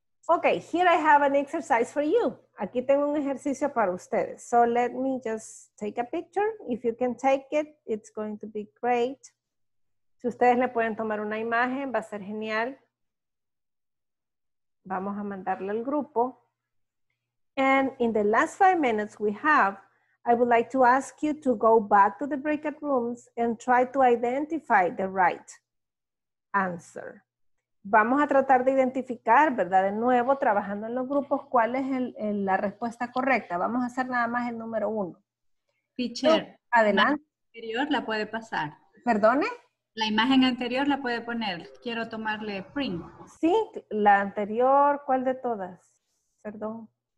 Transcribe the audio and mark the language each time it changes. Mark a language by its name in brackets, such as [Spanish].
[English] Okay, here I have an exercise for you. [Spanish] Aquí tengo un ejercicio para ustedes. [English] So let me just take a picture. If you can take it, it's going to be great. [Spanish] Si ustedes le pueden tomar una imagen, va a ser genial. Vamos a mandarle al grupo. [English] And in the last 5 minutes we have, I would like to ask you to go back to the breakout rooms and try to identify the right answer. [Spanish] Vamos a tratar de identificar, ¿verdad? De nuevo, trabajando en los grupos, ¿cuál es la respuesta correcta? Vamos a hacer nada más el número uno. [English] Teacher, [Spanish] adelante. La imagen anterior la puede pasar. ¿Perdone? La imagen anterior la puede poner. Quiero tomarle print. Sí, la anterior, ¿cuál de todas? Perdón.